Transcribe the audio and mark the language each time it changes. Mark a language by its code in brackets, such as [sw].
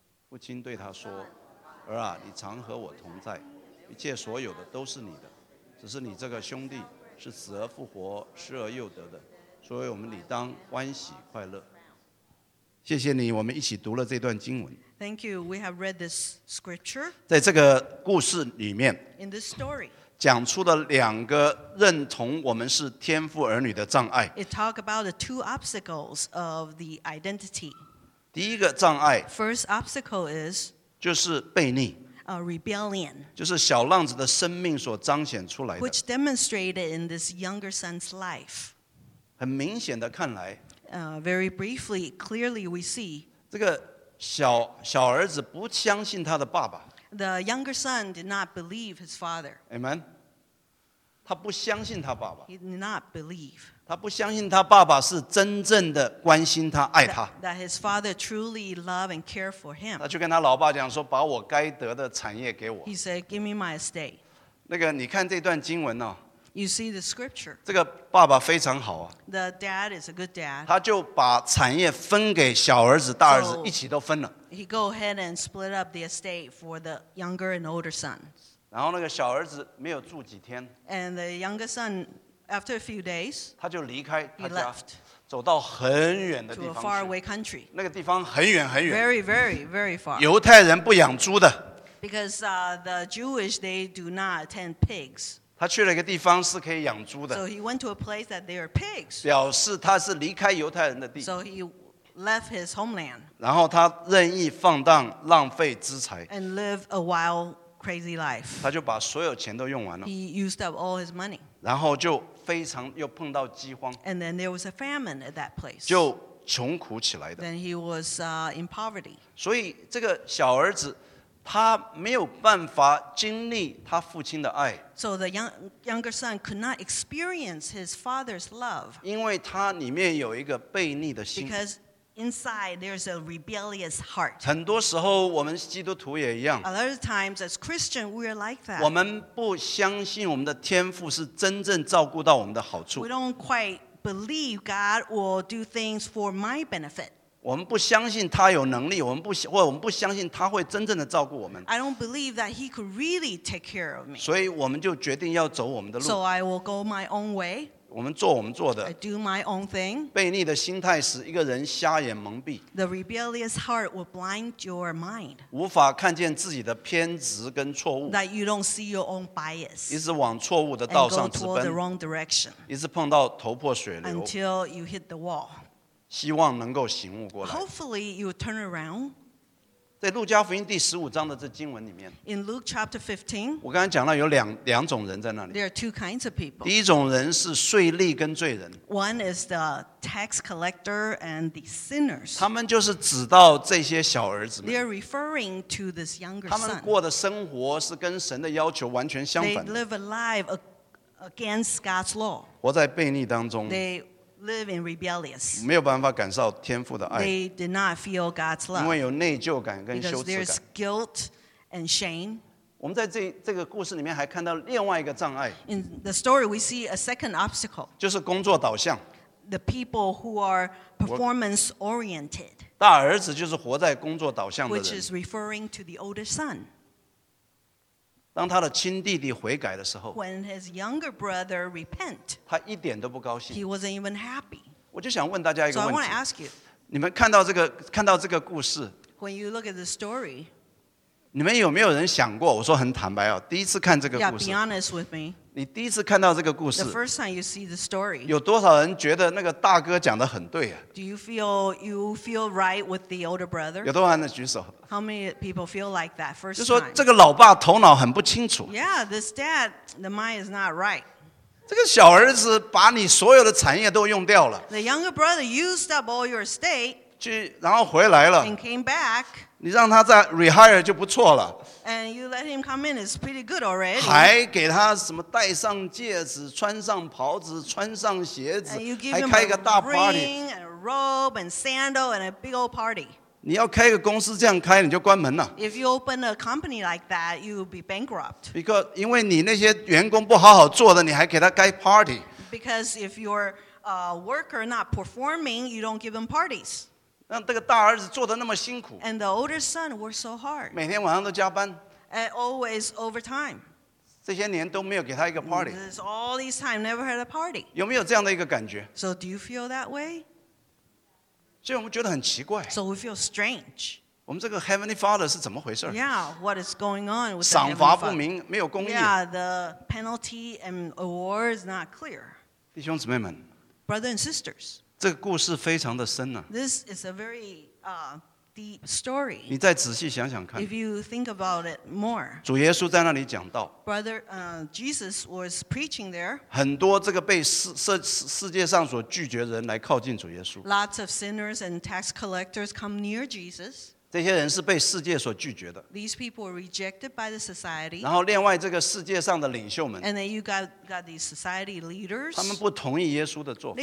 [zh] 父亲对他说，儿啊，你常和我同在，一切所有的都是你的，只是你这个兄弟是死而复活，失而又得的，所以我们理当欢喜快乐。谢谢你，我们一起读了这段经文。 [en] Thank you. We have read this scripture. [zh] 在这个故事里面 [en] ，In this story， [zh] 讲出了两个认同我们是天父儿女的障碍。 [en] It talk about the two obstacles of the identity. [zh] 第一个障碍 [en] ，First obstacle is， [zh] 就是悖逆。 [en] Rebellion， [zh] 就是小浪子的生命所彰显出来的 [en] ，which demonstrated in this younger son's life。 [zh] 很明显的看来 [en] ，very briefly, clearly we see [zh] 这个小儿子不相信他的爸爸。 [en] The younger son did not believe his father. [zh] Amen。 他不相信他爸爸。 [en] He did not believe。 [zh] 他不相信他爸爸是真正的关心他爱他 [en] that his father truly loved and cared for him。 [zh] 他就跟他老爸讲说，把我该得的产业给我。 [en] He said, give me my estate。 [zh] 那个你看这段经文、 [en] You see the scripture。 [zh] 这个爸爸非常好、 [en] The dad is a good dad。 [zh] 他就把产业分给小儿子大儿子、一起都分了。 [en] He go ahead and split up the estate for the younger and older sons。 [zh] 然后那个小儿子没有住几天 [en] and the younger sonAfter a few days, [zh] 他就离开他家 [en] he left [zh] 走到很远的地方去 [en] to a faraway country. [zh] 那个地方很远很远 [en] very, very, very far. [zh] 犹太人不养猪的 [en] because the Jewish, they do not tend pigs. [zh] 他去了一个地方是可以养猪的 [en] so he went to a place that there are pigs. [zh] 表示他是离开犹太人的地 [en] so he left his homeland. [zh] 然后他任意放荡浪费资财 [en] and live a wild crazy life. [zh] 他就把所有钱都用完了 [en] he used up all his money. [zh] 然后就非常又碰到饥荒 [en] and then there was a famine at that place. [zh] 就穷苦起来的 [en] then he was in poverty. [zh] 所以这个小儿子他没有办法经历他父亲的爱 [en] so the younger son could not experience his father's love. [zh] 因为他里面有一个悖逆的心 [en] becauseInside, there's a rebellious heart. [zh] 很多时候我们基督徒也一样 [en] A lot of times, as Christian, we are like that. [zh] 我们不相信我们的天父是真正照顾到我们的好处 [en] We don't quite believe God will do things for my benefit. [zh] 我们不相信他有能力或我们不相信他会真正的照顾我们 [en] I don't believe that he could really take care of me. [zh] 所以我们就决定要走我们的路 [en] So I will go my own way. [zh] 我们做我们做的 [en] I do my own thing. [zh] 悖逆的心态使一个人瞎眼蒙蔽 [en] The rebellious heart will blind your mind. [zh] 无法看见自己的偏执跟错误 [en] That you don't see your own bias. [zh] 一直往错误的道上直奔 [en] And go toward the wrong direction. [zh] 一直碰到头破血流 [en] Until you hit the wall. [zh] 希望能够醒悟过来 [en] Hopefully you turn around. [zh] 在路加福音第十五章的这经文里面 [en] In Luke chapter 15, [zh] 我刚才讲到有 两种人在那里 [en] There are two kinds of people [zh] 第一种人是税吏跟罪人 [en] One is the tax collector and the sinners [zh] 他们就是指到这些小儿子们 [en] They are referring to this younger son [zh] 他们过的生活是跟神的要求完全相反的 [en] They live a life against God's law [zh] 活在悖逆当中 [en] They live in rebellious. [zh] 没有办法感受天父的爱 [en] They did not feel God's love. [zh] 因为有内疚感跟羞耻感 [en] Because there's guilt and shame. [zh] 我们在这个故事里面还看到另外一个障碍。 [en] In the story, we see a second obstacle. [zh] 就是工作导向。 [en] The people who are performance oriented. [zh] 大儿子就是活在工作导向的人。 [en] Which is referring to the older son. [zh] 当他的亲弟弟悔改的时候。 [en] When his younger brother repent. [zh] 他一点都不高兴。 [en] He wasn't even happy. [zh] 我就想问大家一个问题。 [en] So I want to ask you. [zh] 你们看到这个故事。 [en] When you look at the story. [zh] 你们有没有人想过？我说很坦白哦，第一次看这个故事。 [en] Yeah, be honest with me. [zh] 你第一次看到这个故事。 [en] The first time you see the story. [zh] 有多少人觉得那个大哥讲的很对啊 [en] ？Do you feel right with the older brother? [zh] 有多少人举手 [en] ？How many people feel like that first time? [zh] 就说这个老爸头脑很不清楚。 [en] Yeah, this dad, the mind is not right. [zh] 这个小儿子把你所有的产业都用掉了。 [en] The younger brother used up all your estate. [zh] 去，然后回来了。 [en] And came back. [zh] 你让他再 rehire 就不错了。 [en] And you let him come in, it's pretty good already. [zh] 还给他什么戴上戒指，穿上袍子，穿上鞋子，还开一个大 party. [en] And you give him a ring, and a robe, and sandal, and a big old party. [zh] 你要开个公司这样开，你就关门了。 [en] If you open a company like that, you'll be bankrupt. Because [zh] 因为你那些员工不好好做的，你还给他开 party. [en] Because if your worker not performing, you don't give them parties. [zh] 让这个大儿子做得那么辛苦 [en] ，and the older son worked so hard， [zh] 每天晚上都加班 [en] ，and always overtime， [zh] 这些年都没有给他一个 party， [en] all these time never had a party， [zh] 有没有这样的一个感觉 [en] ？So do you feel that way？ [zh] 所以我们觉得很奇怪 [en] ，so we feel strange。 [zh] 我们这个 Heavenly Father 是怎么回事 [en] ？Yeah， what is going on with [zh] 赏罚不明，没有公义 [en] ？Yeah， the penalty and award is not clear。 [zh] 弟兄姊妹们 [en] ，brothers and sisters。 [zh] 这个故事非常的深啊 [en] This is a very deep story. [zh] 你再仔细想想看 [en] If you think about it more. [zh] 主耶稣在那里讲道 [en] Brother Jesus was preaching there. [zh] 很多这个被世界上所拒绝的人来靠近主耶稣 [en] Lots of sinners and tax collectors come near Jesus. [zh] 这些人是被世界所拒绝的 [en] These people were rejected by the society. [zh] 然后另外这个世界上的领袖们 [en] And then you got these society leaders. [zh] 他们不同意耶稣的做法